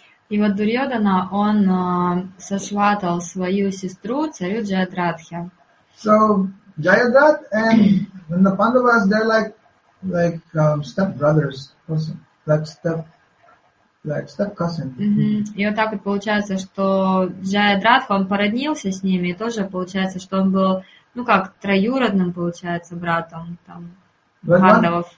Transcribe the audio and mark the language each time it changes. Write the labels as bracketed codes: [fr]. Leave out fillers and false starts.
[ru] И вот Дурьодана, он сосватал свою сестру, царю Джаядратхе. [en] So Jayadrat and the Pandavas, they're like stepbrothers, like step cousin. [ru] Mm-hmm. И вот так вот получается, что Джаядратха, он породнился с ними, и тоже получается, что он был, ну как, троюродным, получается, братом там, Пандавов.